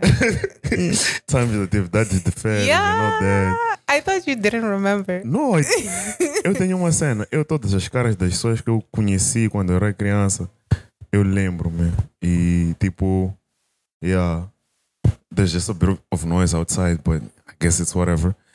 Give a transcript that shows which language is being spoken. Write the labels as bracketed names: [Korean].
[English] Time is a thief, that is the fair, yeah. Not that. I thought you didn't remember. [Portuguese] No, eu tenho uma cena, eu todas as caras das pessoas que eu conheci quando eu era criança, eu lembro-me. E tipo, [English] yeah, there's just a bit of noise outside, but I guess it's whatever.